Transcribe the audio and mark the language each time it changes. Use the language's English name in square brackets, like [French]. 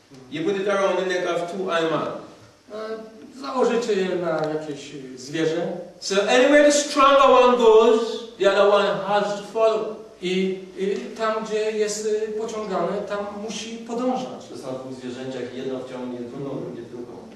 [English] You put it around the neck of two animals. [Polish] Założycie je na jakieś zwierzę. [English] So anywhere the stronger one goes, the other one has to follow. [Polish] I tam, gdzie jest pociągany, tam musi podążać. To są dwóch zwierzęciach, jedno wciągnie drugą, drugie drugą.